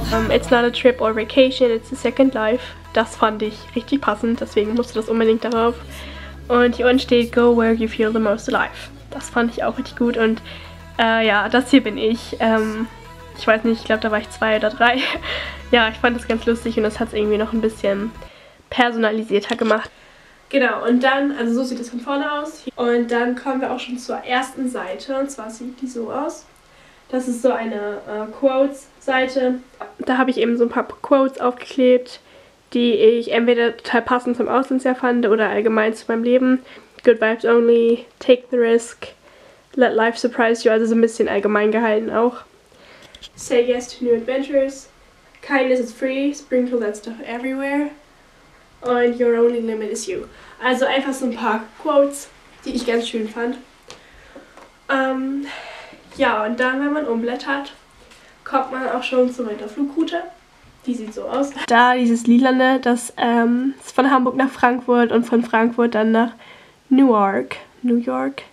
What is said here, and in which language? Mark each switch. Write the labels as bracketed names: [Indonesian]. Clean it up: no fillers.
[English] It's not a trip or vacation, it's a second life. [German] Das fand ich richtig passend, deswegen musste das unbedingt darauf. Und hier unten steht, [English] go where you feel the most alive. [German] Das fand ich auch richtig gut und ja, das hier bin ich. Ich weiß nicht, ich glaube, da war ich 2 oder 3. Ja, ich fand das ganz lustig und das hat es irgendwie noch ein bisschen personalisierter gemacht. Genau, und dann, also so sieht es von vorne aus. Und dann kommen wir auch schon zur ersten Seite. Und zwar sieht die so aus. Das ist so eine Quotes-Seite. Da habe ich eben so ein paar Quotes aufgeklebt, die ich entweder total passend zum Auslandsjahr fand oder allgemein zu meinem Leben. [English] Good vibes only, take the risk, let life surprise you. [German] Also so ein bisschen allgemein gehalten auch. [English] Say yes to new adventures. Kindness is free. Sprinkle that stuff everywhere. And your only limit is you. [German] Also einfach so ein paar Quotes, die ich ganz schön fand. Ja, und dann, wenn man umblättert, kommt man auch schon zu meiner Flugroute. Die sieht so aus. Da dieses Lilane, das ist von Hamburg nach Frankfurt und von Frankfurt dann nach Newark. New York?